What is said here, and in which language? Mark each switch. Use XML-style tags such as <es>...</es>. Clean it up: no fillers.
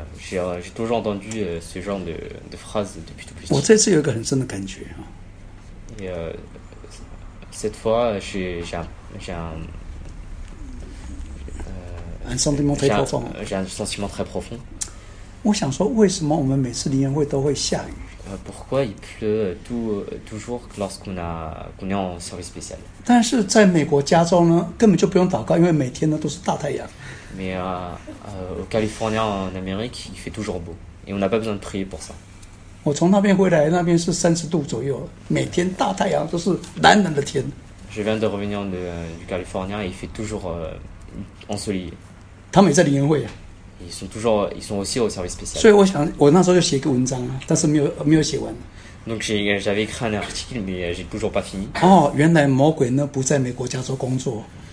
<fr>J'ai toujours entendu ce genre de phrases depuis tout petit. Cette fois, j'ai un un sentiment très profond. J'ai un sentiment très profond.</fr> <zh>On想说为什么我们每次灵恩会都会下雨？</zh> <fr>Pourquoi il pleut toujours lorsqu'on est en service spécial?</fr> <zh>但是在美国加州呢，根本就不用祷告，因为每天呢都是大太阳。</zh> <fr>Mais au Californie en Amérique, il fait toujours beau et on n'a pas besoin de prier pour ça.</fr> <zh>我从那边回来，那边是30度左右，每天大太阳都是蓝蓝的天。</zh> <fr>Je viens de revenir du Californie et il fait toujours ensoleillé.</fr> <zh>他们也在灵恩会啊。</zh> <fr>Ils sont aussi au service spécial.</fr> <zh>所以我想，我那时候就写一个文章了，但是没有写完。</zh> <fr>Donc j'avais écrit un article, mais j'ai toujours pas fini.</fr> <zh>哦，原来魔鬼呢不在美国加州工作。</zh>